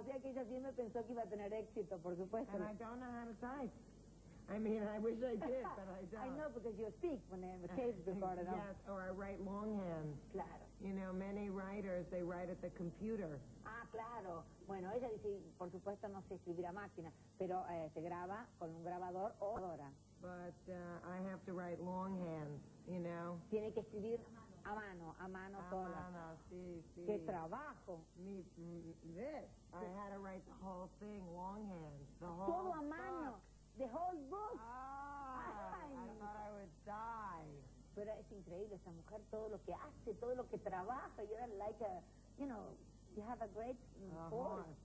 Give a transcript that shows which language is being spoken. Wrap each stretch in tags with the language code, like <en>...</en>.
<es>Sí, o sea que ella siempre pensó que iba a tener éxito, por supuesto.</es> <en>And I don't know how to type. I mean, I wish I did, but I don't. I know, because you speak when I have a case before, yes, don't. Or I write longhand.</en> <es>Claro.</es> <en>You know, many writers, they write at the computer.</en> <es>Ah, claro. Bueno, ella dice, por supuesto, no sé escribir a máquina, pero se graba con un grabador o grabadora.</es> <en>But I have to write longhand, you know.</en> <es>Tiene que escribir a mano sola. A mano, sí, sí. ¡Qué trabajo!</es> <en>I had to write the whole thing longhand. The whole</en> <es>todo a mano.</es> <en>Book. The whole book. I thought I would die.</en> <es>Pero es increíble esa mujer, todo lo que hace, todo lo que trabaja.</es> <en>You're like a, you have a great force.</en>